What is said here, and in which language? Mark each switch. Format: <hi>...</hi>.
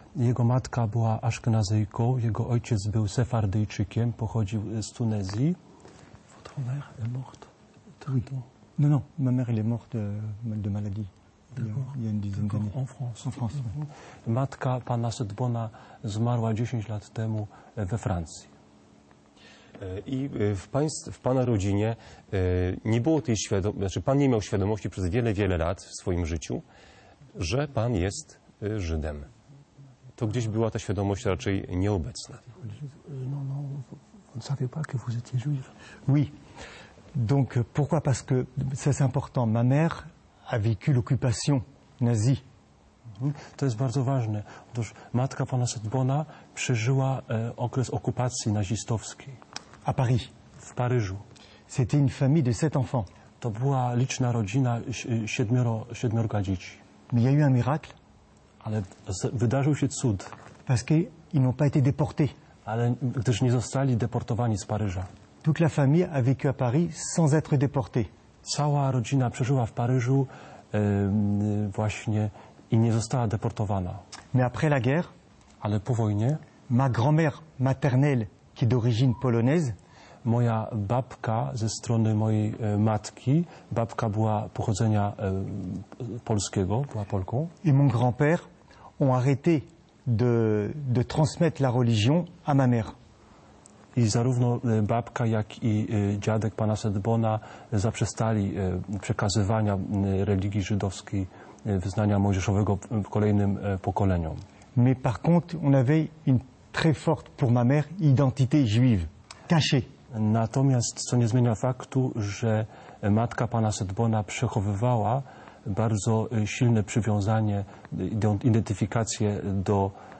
<pl>Jego matka była ashkenazyjką, jego ojciec był sefardyjczykiem, pochodził z Tunezji.</pl> <fr>Ta mère est morte. Oui. Non, non, ma mère elle est morte de maladie. Il y a une dizaine d'années. En France. En France. Mm-hmm.</fr> <pl>Matka pana Sedbona zmarła 10 lat temu we Francji. I w pana rodzinie nie było tej świadomości, znaczy pan nie miał świadomości przez wiele, wiele lat w swoim życiu, że pan jest Żydem. To gdzieś była ta świadomość raczej nieobecna. No, no.</pl> <fr>On ne savait pas que vous étiez juif. Oui. Donc, pourquoi? Parce que, ça c'est important, ma mère a vécu l'occupation nazie.</fr> <pl>To jest bardzo ważne. Otóż matka pana Sedbona przeżyła okres okupacji nazistowskiej.</pl> <fr>À Paris.</fr> <pl>W Paryżu.</pl> <fr>C'était une famille de 7 enfants.</fr> <pl>To była liczna rodzina, siedmiorga dzieci.</pl> <fr>Mais il y a eu un miracle.</fr> <pl>Ale wydarzył się cud.</pl> <fr>Parce qu'ils n'ont pas été déportés.</fr> <pl>Ale gdyż nie zostali deportowani z Paryża.</pl> <fr>Toute la famille a vécu à Paris sans être déportée.</fr> <pl>Cała rodzina przeżyła w Paryżu właśnie i nie została deportowana.</pl> <fr>Mais après la guerre,</fr> <pl>ale po wojnie,</pl> <fr>ma grand-mère maternelle, qui est d'origine polonaise,</fr> <pl>moja babka ze strony mojej matki, babka była pochodzenia polskiego, była Polką.</pl> <fr>Et mon grand-père ont arrêté de transmettre la religion à ma mère.</fr> <pl>I zarówno babka, jak i dziadek pana Sedbona zaprzestali przekazywania religii żydowskiej, wyznania mojżeszowego kolejnym pokoleniom.</pl> <fr>Mais par contre, on avait une très forte pour ma mère identité juive cachée.</fr> <pl>Natomiast co nie zmienia faktu, że matka pana Sedbona przechowywała bardzo silne przywiązanie, identyfikację do</pl>